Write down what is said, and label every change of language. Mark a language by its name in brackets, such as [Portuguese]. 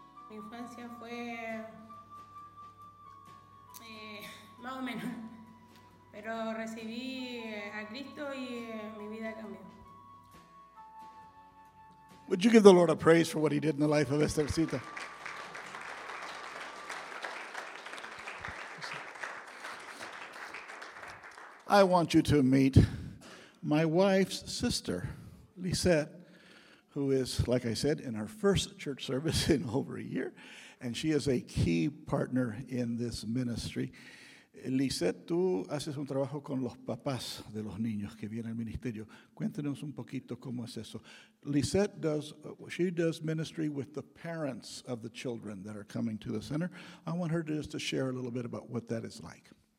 [Spanish] Mi infancia fue más o menos, pero recibí a Cristo y mi vida cambió. [English] Would you give the Lord a praise for what he did in the life of Esthercita? I want you to meet my wife's sister, Lisette, who is, like I said, in her first church service in over a year, and she is a key partner in this ministry. [Spanish] Lisette, tú haces un trabajo con los papás de los niños que vienen al ministerio. Cuéntanos un poquito cómo es eso. [English] Lisette does, she does ministry with the parents of the children that are coming to the center. I want her to just to share a little bit about what that is like.